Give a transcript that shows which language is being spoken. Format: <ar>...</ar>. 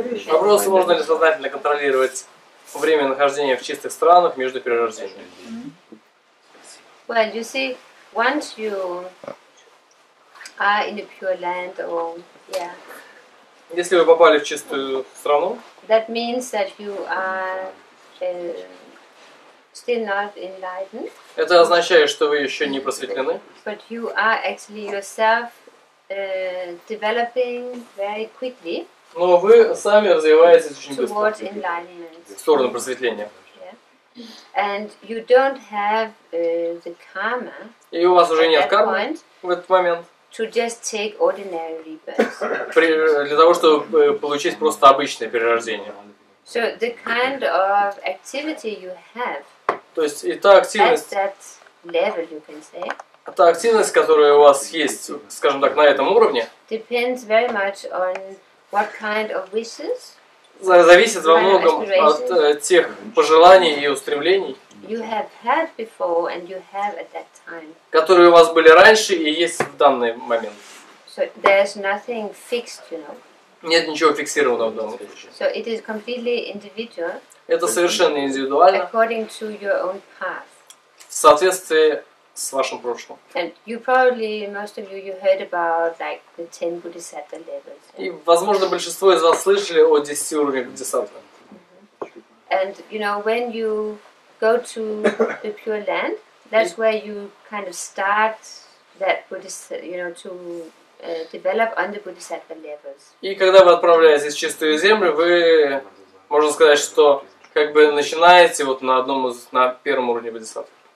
<ru>Вопрос, можно ли сознательно контролировать время нахождения в чистых странах между перерождениями?</ru> <en>Well, you see, once you are in a pure land,</en> <ru>Если вы попали в чистую страну.</ru> <en>That means that you are. Still not enlightened.</en> <ru>Это означает, что вы еще не просветлены.</ru> <en>But you are actually yourself developing very quickly.</en> <ru>Но вы сами развиваетесь очень быстро.</ru> <en>Towards enlightenment.</en> <ru>В сторону просветления.</ru> <en>Yeah. And you don't have the karma.</en> <ru>И у вас уже нет кармы в этот момент.</ru> <en>To just take ordinary rebirths.</en> <ru>Для того, чтобы получить просто обычное перерождение.</ru> <en>So the kind of activity you have.</en> <ru>То есть и та активность.</ru> <en>At that level, you can say.</en> <ru>Та активность, которая у вас есть, скажем так, на этом уровне.</ru> <en>Depends very much on what kind of wishes.</en> <ru>Зависит во многом от тех пожеланий и устремлений.</ru> <en>You have had before and you have at that time.</en> <ru>Которые у вас были раньше и есть в данный момент.</ru> <en>So there's nothing fixed, you know.</en> <ru>Нет ничего фиксированного в данном случае.</ru> <en>So it is completely individual.</en> <ru>Это совершенно индивидуально.</ru> <en>According to your own path.</en> <ru>В соответствии с вашим прошлым.</ru> <en>And you probably most of you heard about like the 10 bodhisattva levels.</en> <ru>И возможно большинство из вас слышали о 10 уровнях бодхисаттвы.</ru> <en>And you know when you go to the pure land, that's where you kind of start that bodhisattva, you know, to develop on the bodhisattva levels.</en> <ru>И когда вы отправляетесь в чистую землю, вы, можно сказать, что как бы начинаете вот на одном из, на первом уровне бодхисаттвы.</ru>